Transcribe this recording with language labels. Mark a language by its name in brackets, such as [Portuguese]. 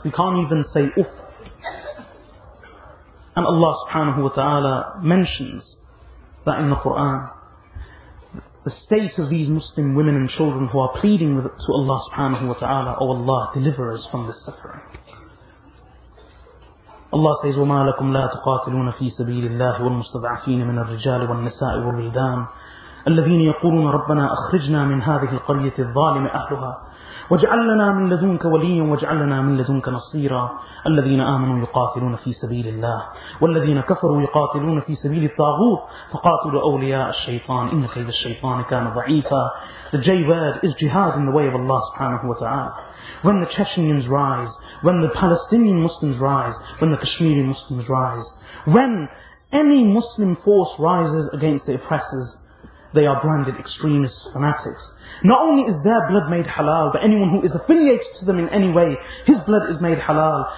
[English] We can't even say "uff." And Allah subhanahu wa ta'ala mentions that in the Quran, the state of these Muslim women and children who are pleading with to Allah subhanahu wa ta'ala, "Oh Allah, deliver us from this suffering." Allah says, [Arabic] "وَمَا لَكُمْ لَا تُقَاتِلُونَ فِي سَبِيلِ اللَّهِ وَالْمُسْتَضْعَفِينَ مِنَ الرِّجَالِ وَالنِّسَاءِ وَالْوِلْدَانِ الذين يقولون ربنا أخرجنا من هذه القرية الظالمة أهلها واجعل لنا من لدنك وليا واجعل لنا من لدنك نصيرا الذين آمنوا يقاتلون في سبيل الله والذين كفروا يقاتلون في سبيل الطاغوت فقاتلوا أولياء الشيطان إن كيد الشيطان كان ضعيفا." [English] The J word is jihad in the way of Allah subhanahu wa ta'ala. When the Chechenians rise, when the Palestinian Muslims rise, when the Kashmiri Muslims rise, when any Muslim force rises against the oppressors, they are branded extremists, fanatics. Not only is their blood made halal, but anyone who is affiliated to them in any way, his blood is made halal.